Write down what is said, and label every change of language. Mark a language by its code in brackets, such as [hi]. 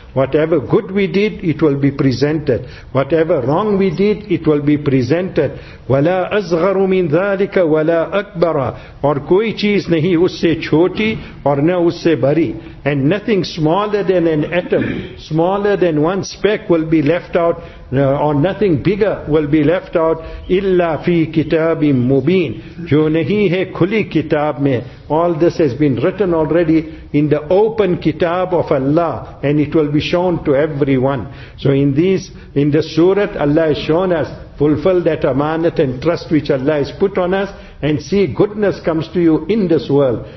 [en] Whatever good we did, it will be presented. Whatever wrong we did, it will be presented. [ar] وَلَا أَصْغَرُ مِنْ ذَلِكَ وَلَا أَكْبَرَ [ur] Or koi cheez nahi usse choti, or na usse bari. [en] And nothing smaller than an atom, smaller than one speck will be left out, or nothing bigger will be left out. [ar] إِلَّا فِي كِتَابٍ مُبِينٍ [ur] جو نہیں ہے کھلی کتاب میں. [en] All this has been written already in the open kitab of Allah, and it will be shown to everyone. So in this surah, Allah has shown us, fulfill that amanat and trust which Allah has put on us, and see goodness comes to you in this world.